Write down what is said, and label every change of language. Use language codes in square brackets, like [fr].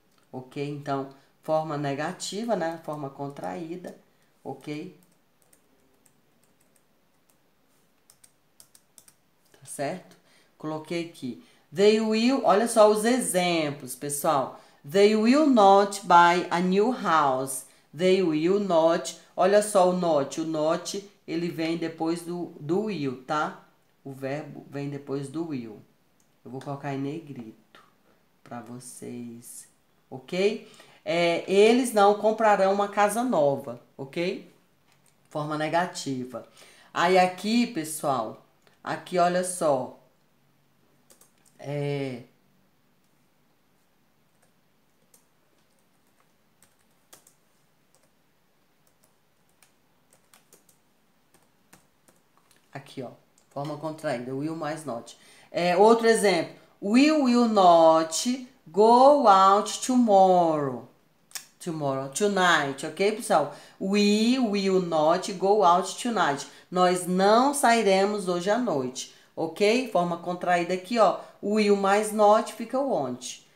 [pt] Ok, então, forma negativa, né? Forma contraída, ok? Tá certo? Coloquei aqui. They will, olha só os exemplos, pessoal. [en] They will not buy a new house. They will not, [pt] olha só o not. O not, ele vem depois do will, tá? O verbo vem depois do will. Eu vou colocar em negrito para vocês, ok? É, eles não comprarão uma casa nova, ok? Forma negativa. Aí aqui, pessoal, aqui olha só. Aqui, ó, forma contraída, will mais not. É, outro exemplo, [en] will not go out tomorrow. [pt] Tomorrow, tonight, ok, pessoal? [en] We will not go out tonight. [pt] Nós não sairemos hoje à noite. Ok? Forma contraída aqui, ó. Will mais not fica o want.